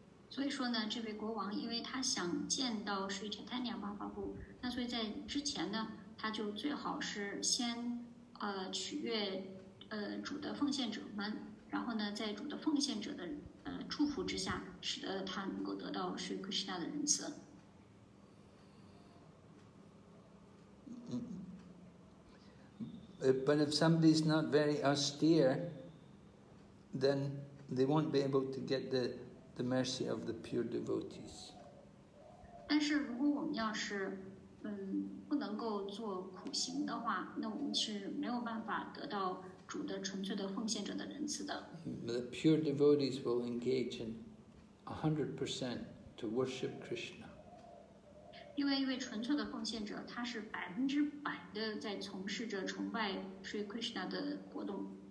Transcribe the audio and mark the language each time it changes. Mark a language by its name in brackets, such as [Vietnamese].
[Chinese] 所以说呢，这位国王因为他想见到 Sri Chaitanya Mahaprabhu， 那所以在之前呢，他就最好是先取悦主的奉献者们，然后呢，在主的奉献者的祝福之下，使得他能够得到 Sri Krishna 的仁慈。 [English] But if somebody's not very austere, then they won't be able to get the mercy of the pure devotees. [Chinese] 但是如果我们要是不能够做苦行的话，那我们是没有办法得到主的纯粹的奉献者的仁慈的。 [English] The pure devotees will engage in 100% to worship Krishna. [Chinese] 因为一位纯粹的奉献者，他是100%的在从事着崇拜 Sri Krishna 的活动。